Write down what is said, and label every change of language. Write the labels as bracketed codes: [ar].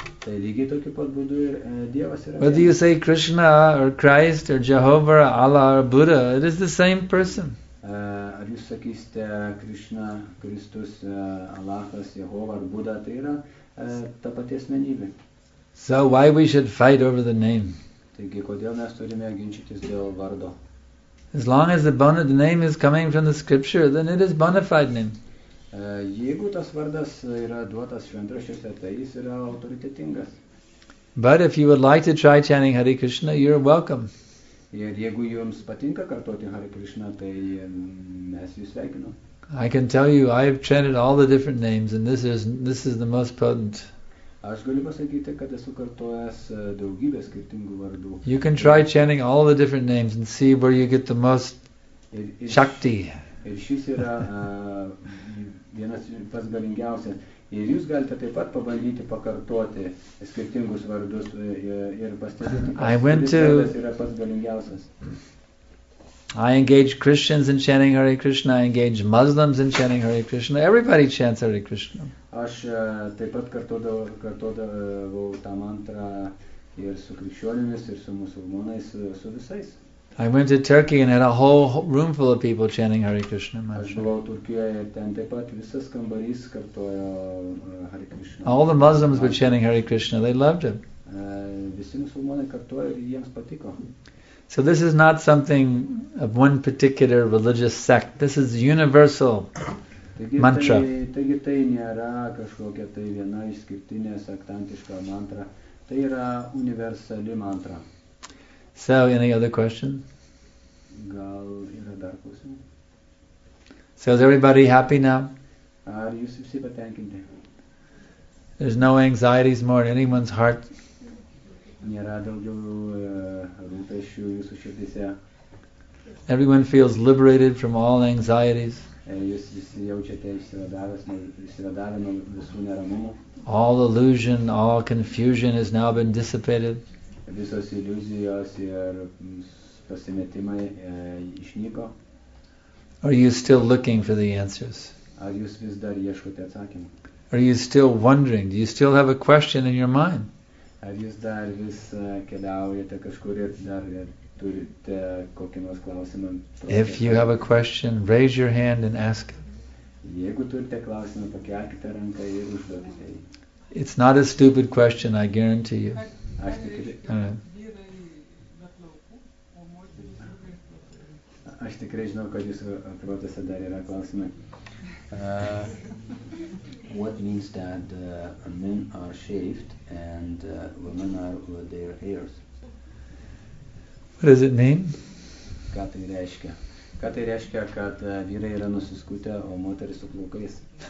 [lt] Tai lygiai tokiu pat būdu ir Dievas yra. [en] Whether you say Krishna or Christ or Jehovah or Allah or Buddha, it is the same person. [lt] Ar jūs sakysite Krishna, Kristus, Allahas, Jehovah ar Buddha, tai yra ta pati asmenybė. [en] So why we should fight over the name? [lt] Taigi kodėl mes turime ginčytis dėl vardo? [en] As long as the name is coming from the scripture, then it is bona fide name. [lt] Jeigu tas vardas yra duotas šventraščiuose, tai jis yra autoritetingas. [en] But if you would like to try chanting Hare Krishna, you're welcome. [lt] Ir jeigu jums patinka kartoti Hare Krishna, tai mes jūs sveikinu. [en] I can tell you, I've chanted all the different names, and this is the most potent. [lt] Aš galiu pasakyti, kad esu kartojęs daugybę skirtingų vardų. [en] You can try chanting all the different names and see where you get the most shakti. [lt] Ir šis yra vienas pats galingiausias. Ir jūs galite taip pat pabandyti pakartoti skirtingus vardus ir pastebėti, kad šis yra pats galingiausias. [en] I engage Christians in chanting Hare Krishna, I engage Muslims in chanting Hare Krishna. Everybody chants Hare Krishna. [lt] Aš taip pat kartodavau tą mantrą ir su krikščionimis, ir su musulmonais, su visais. [en] I went to Turkey and had a whole room full of people chanting Hare Krishna. [lt] Aš buvau Turkijoje, ten taip pat visas kambarys kartojo Hare Krishna. [en] All the Muslims were chanting Hare Krishna, they loved him. [lt] Visi musulmonai kartojo ir jiems patiko. [en] So this is not something of one particular religious sect. This is universal mantra. [lt] Taigi tai nėra kažkokia tai viena išskirtinė sektantiška mantra. Tai yra universali mantra. [en] So, any other question? [lt] Gal yra dar klausimų? [en] So, is everybody happy now? [lt] Ar jūs visi patenkinti? [en] There's no anxieties more in anyone's heart. [lt] Nėra daugiau rūpesčių jūsų širdyse. [en] Everyone feels liberated from all anxieties. [lt] Jūs visi jaučiate išsivadavę nuo visų neramumų. [en] All illusion, all confusion has now been dissipated. [lt] Visos iliuzijos ir pasimetimai išnyko. [en] Are you still looking for the answers? [lt] Ar jūs vis dar ieškote atsakymų? [en] Are you still wondering? Do you still have a question in your mind? [lt] Ar jūs dar vis keliaujate kažkur ir dar turite kokį nors klausimą? [en] If you have a question, raise your hand and ask. [lt] Jeigu turite klausimą, pakelkite ranką ir užduokite. [en] It's not a stupid question, I guarantee you. [lt] Aš tik tikrai žinau, kad jūsų protose dar yra klausimai. [en] What means that men are shaved and women are with their hairs? What does it mean? [lt] Ką tai reiškia? Ką tai reiškia, kad vyrai yra nusiskutę, o moteris su plaukais?